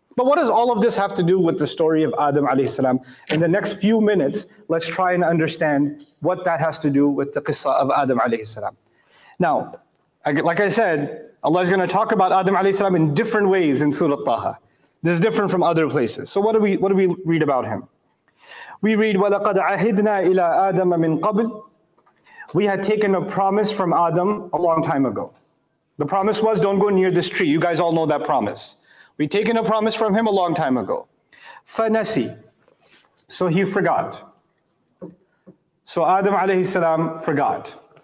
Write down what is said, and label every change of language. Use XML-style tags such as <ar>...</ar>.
<en>But what does all of this have to do with the story of Adam alayhi salam? In the next few minutes, let's try and understand what that has to do with the qissah of Adam alayhi salam. Now, like I said, Allah is going to talk about Adam alayhi salam in different ways in Surah Taha. This is different from other places. So what do we read about him? We read,</en> <ar>وَلَقَدْ عَهِدْنَا إِلَىٰ آدَمَ مِنْ قَبْلِ.</ar> <en>We had taken a promise from Adam a long time ago. The promise was, don't go near this tree. You guys all know that promise. We'd taken a promise from him a long time ago.</en> <ar>Fanasi.</ar> <en>So he forgot. So Adam alayhi salam forgot.</en>